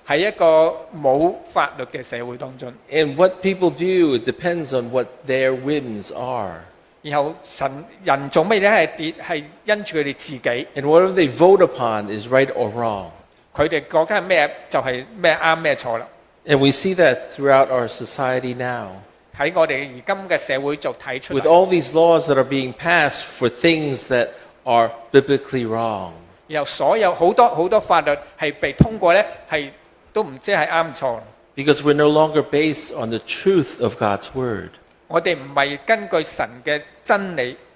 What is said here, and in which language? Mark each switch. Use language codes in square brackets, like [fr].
[yue] 喺一个冇法律嘅社会当中。 [en] And what people do it depends on what their whims are. [yue] 然後神人做乜嘢係跌係因住佢哋自己。 [en] And whatever they vote upon is right or wrong. [yue] 佢哋覺得咩就係咩啱咩錯啦。 [en] And we see that throughout our society now. [yue] 喺我哋而今嘅社會就睇出。 [en] With all these laws that are being passed for things that are biblically wrong. [yue] 然後所有好多好多法律係被通過咧，係都唔知係啱錯。 [en] Because we're no longer based on the truth of God's word. [yue] 我哋唔係根據神嘅真理，